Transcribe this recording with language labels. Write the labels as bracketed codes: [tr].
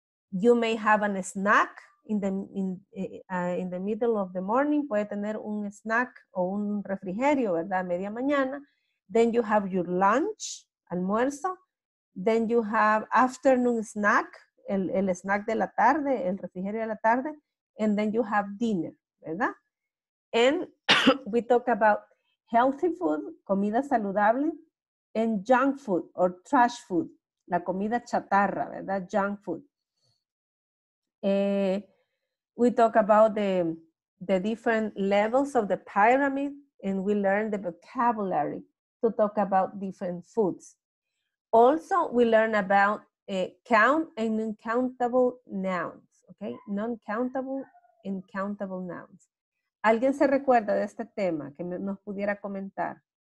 [en] You may have an snack in the middle of the morning. [es] Puede tener un snack o un refrigerio, ¿verdad? Media mañana. [en] Then you have your lunch, almuerzo. Then you have afternoon snack, [es] el snack de la tarde, [en] el refrigerio de la tarde. And then you have dinner, ¿verdad? And we talk about healthy food, [es] comida saludable, [en] and junk food or trash food, [es] la comida chatarra, [en] ¿verdad? Junk food. We talk about the different levels of the pyramid, and we learn the vocabulary to talk about different foods. Also, we learn about count and uncountable nouns, okay? Non-countable, uncountable nouns. [es] ¿Alguien se recuerda de este tema que nos pudiera comentar?